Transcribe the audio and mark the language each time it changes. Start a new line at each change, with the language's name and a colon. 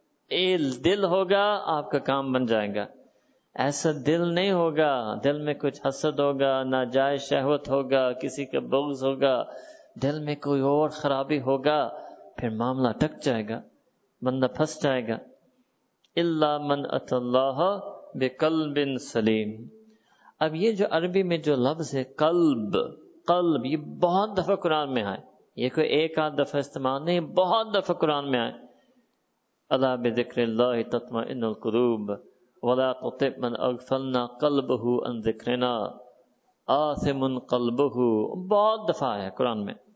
Urdu: یہ دل ہوگا آپ کا کام بن جائے گا. ایسا دل نہیں ہوگا، دل میں کچھ حسد ہوگا، ناجائز شہوت ہوگا، کسی کا بغض ہوگا، دل میں کوئی اور خرابی ہوگا، پھر معاملہ ٹک جائے گا، بندہ پھنس جائے گا.
Arabic: الا من اتى الله بقلب سلیم.
Urdu: اب یہ جو عربی میں جو لفظ ہے قلب، قلب، یہ بہت دفعہ قرآن میں آئے، یہ کوئی ایک آدھ دفعہ استعمال نہیں، بہت دفعہ قرآن میں آئے.
Arabic: الا بذکر اللہ تطمئن القلوب ولا تطع من اغفلنا قلبه عن ذكرنا آثم قلبه،
Urdu: بہت دفعہ آیا قرآن میں.